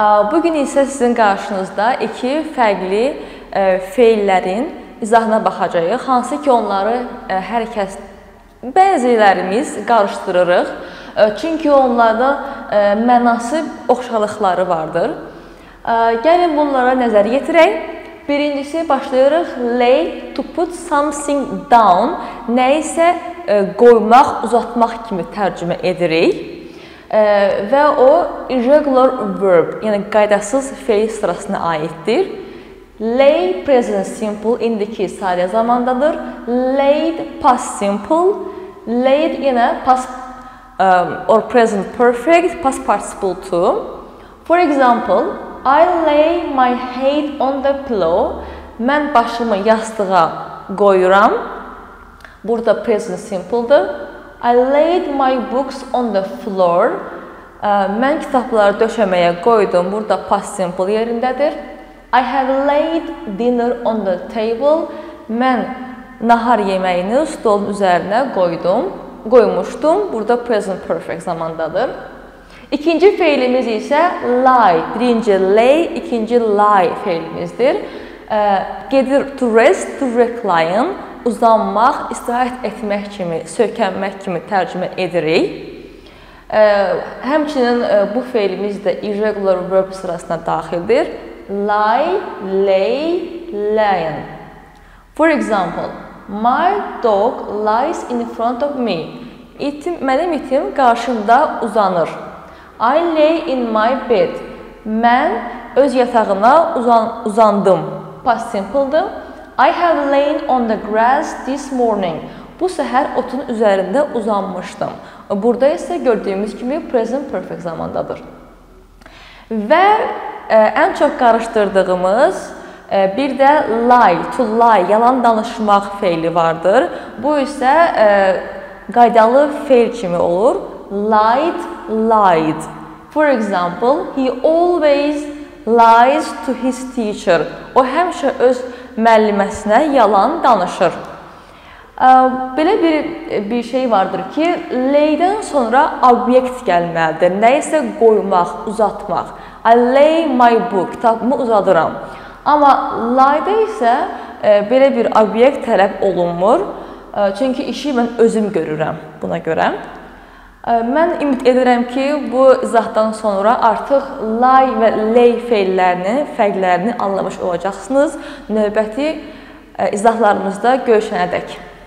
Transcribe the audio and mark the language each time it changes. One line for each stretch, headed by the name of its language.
Azerbaijani: Bugün isə sizin qarşınızda iki fərqli feillərin izahına baxacağıq. Hansı ki onları hər kəs, bəzilərimiz qarışdırırıq. Çünki onlarda mənası oxşalıqları vardır. Gəlin bunlara nəzər yetirək. Birincisi başlayırıq.
English: Lay to put something down.
Azerbaijani: Nə isə qoymaq, uzatmaq kimi tərcümə edirik. Və o irregular verb, yəni qaydasız fəil sırasına aiddir.
English: Lay present simple
Azerbaijani: indiki sadə zamandadır.
English: Laid past simple. Laid yenə past or present perfect, past participle too. For example, I lay my head on the pillow.
Azerbaijani: Mən başımı yastığa qoyuram. Burada present simple-dır.
English: I laid my books on the floor.
Azerbaijani: Mən kitabları döşəməyə qoydum. Burada past simple yerindədir.
English: I have laid dinner on the table.
Azerbaijani: Mən nahar yeməyini stolun üzərinə qoymuşdum. Burada present perfect zamandadır. İkinci feilimiz isə lie. Birinci lay, ikinci lie feilimizdir.
English: Gedir to rest, to recline.
Azerbaijani: Uzanmaq, istirahat etmək kimi, sökənmək kimi tərcümə edirik. Həmçinin bu feilimiz də irregular verb sırasına daxildir.
English: Lie, lay, lion. For example, my dog lies in front of me.
Azerbaijani: Mənim itim qarşımda uzanır.
English: I lay in my bed.
Azerbaijani: Mən öz yatağına uzandım. Past simple-dır.
English: I have lain on the grass this morning.
Azerbaijani: Bu səhər otun üzərində uzanmışdım. Burada isə gördüyümüz kimi present perfect zamandadır. Və ən çox qarışdırdığımız bir də lie, to lie, yalan danışmaq feili vardır. Bu isə qaydalı feil kimi olur.
English: Lied, lied. For example, he always lies to his teacher.
Azerbaijani: O həmişə öz müəlliməsinə yalan danışır. Belə bir şey vardır ki, lay-dən sonra obyekt gəlməlidir. Nə isə qoymaq, uzatmaq.
English: I lay my book,
Azerbaijani: kitabımı uzadıram. Amma lie-də isə belə bir obyekt tələb olunmur. Çünki işi mən özüm görürəm buna görə. Mən ümid edirəm ki, bu izahdan sonra artıq lie və lay feillərinin fərqlərini anlamış olacaqsınız. Növbəti izahlarımızda görüşənədək.